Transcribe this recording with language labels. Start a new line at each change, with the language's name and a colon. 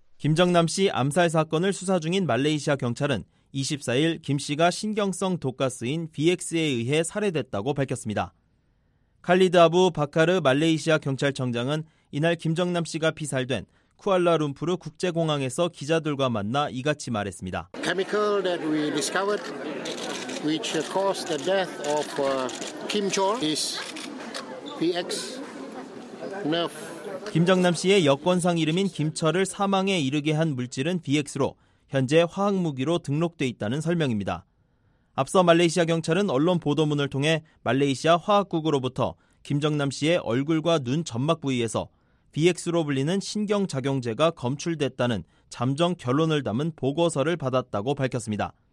Korean: 김정남 씨 암살 사건을 수사 중인 말레이시아 경찰은 24일 김 씨가 신경성 독가스인 VX에 의해 살해됐다고 밝혔습니다. 칼리드 아부 바카르 말레이시아 경찰청장은 이날 김정남 씨가 피살된 쿠알라룸푸르 국제공항에서 기자들과 만나 이같이 말했습니다.
English: Chemical that we discovered which caused the death of Kim Jong is VX nerve.
Korean: 김정남 씨의 여권상 이름인 김철을 사망에 이르게 한 물질은 VX로 현재 화학무기로 등록돼 있다는 설명입니다. 앞서 말레이시아 경찰은 언론 보도문을 통해 말레이시아 화학국으로부터 김정남 씨의 얼굴과 눈 점막 부위에서 VX로 불리는 신경작용제가 검출됐다는 잠정 결론을 담은 보고서를 받았다고 밝혔습니다.